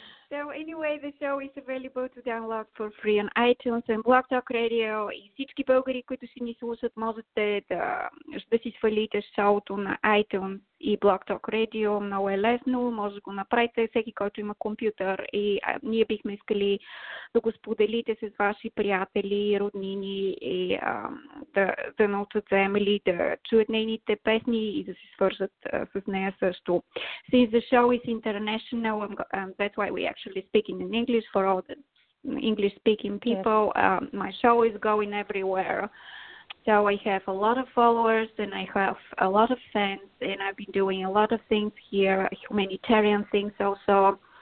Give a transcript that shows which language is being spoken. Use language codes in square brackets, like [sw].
[en] So anyway, the show is available to download for free on iTunes and Blog Talk Radio. [bg] И всички българи, които си ни слушат, можете да си свалите шоуто на iTunes и Blog Talk Radio. Много е лесно, може да го направите всеки, който има компютър. И ние бихме искали да го споделите с ваши приятели, роднини и да научат за Емили, да чуят нейните песни и да се свържат с нея също. [en] Since the show is international, that's why we actually speaking in English for all the English-speaking people. Yes. My show is going everywhere. So I have a lot of followers and I have a lot of fans and I've been doing a lot of things here, humanitarian things also.